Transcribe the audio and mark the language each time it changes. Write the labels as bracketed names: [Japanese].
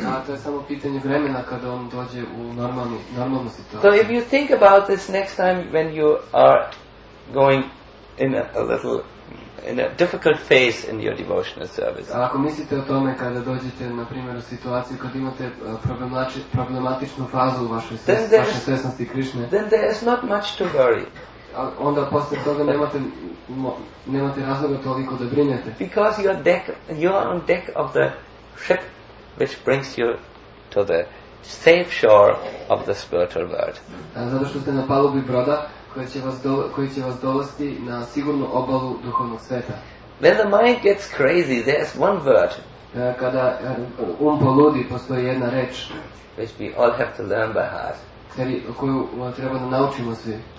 [Serbian] To je samo pitanje vremena kada on dođe u normalnu situaciju. [English] So if you think about this next time when you are going in a difficult phase in your devotional service. [Serbian] A ako mislite o tome kada dođete na primjer u situaciju kad imate problematičnu fazu u vašoj svjesnosti Krišne. [English] Then there is not much to worry. [Serbian] Onda posle toga nemate razloga toliko da brinete. [English] Because you are on deck of the ship which brings you to the safe shore of the spiritual world. [Serbian] Zato što ste na palubi broda koji će vas dovesti na sigurnu obalu duhovnog sveta. [English] When the mind gets crazy, there's one word. [Serbian] Kada um poludi, postoji jedna reč. [English] Which we all have to learn by heart. [Serbian] Koju treba da naučimo svi.